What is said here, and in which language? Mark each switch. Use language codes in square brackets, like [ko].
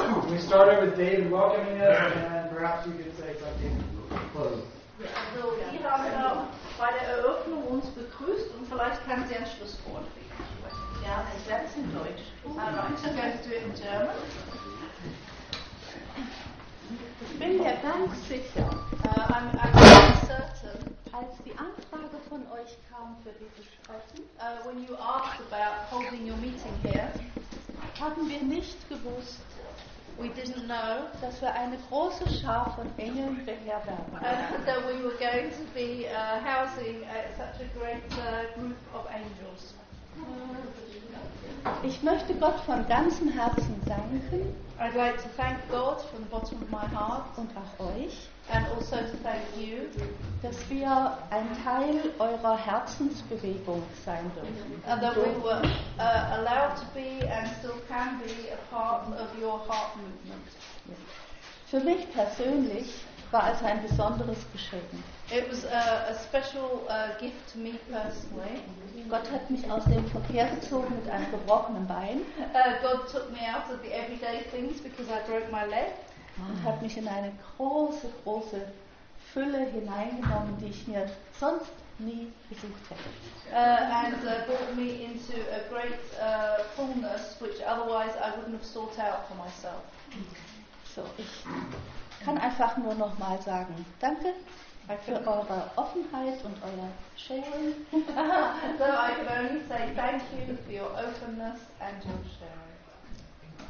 [en] We started with David welcoming us, and perhaps you could say something close. [de] Also, wir haben da bei der Eröffnung uns begrüßt und vielleicht kann sie ein Schlusswort geben. Ja, ein Satz in Deutsch. Also, kannst du in German? Ich bin mir ganz sicher, [en] I'm certain, [de] als die Anfrage von euch kam für dieses Treffen, [en] when you asked about holding your meeting here, [de] haben wir nicht gewusst, [en] we didn't know, [de] dass wir eine große Schar von Engeln beherbergen. [en] That we were going to be housing such a great group of angels. [de] Ich möchte Gott von ganzem Herzen danken. [en] I'd like to thank God from the bottom of my heart. [de] Und auch euch. [en] And also to thank you. [de] Dass wir ein Teil eurer Herzensbewegung sein dürfen. [en] And that we were allowed to be and still can be a part of your heart movement. [de] Für mich persönlich war es ein besonderes Geschenk. [en] It was a special gift to me personally. [de] Gott hat mich aus dem Verkehr gezogen mit einem gebrochenen Bein. [en] God took me out of the everyday things because I broke my leg. [de] Und hat mich in eine große, große Fülle hineingenommen, die ich mir sonst nie gesucht hätte. [en] Brought me into a great fullness, which otherwise I wouldn't have sought out for myself. [de] So, ich kann einfach nur noch mal sagen, danke für eure Offenheit und euer Sharing. [en] So, I can only say thank you for your openness and your sharing.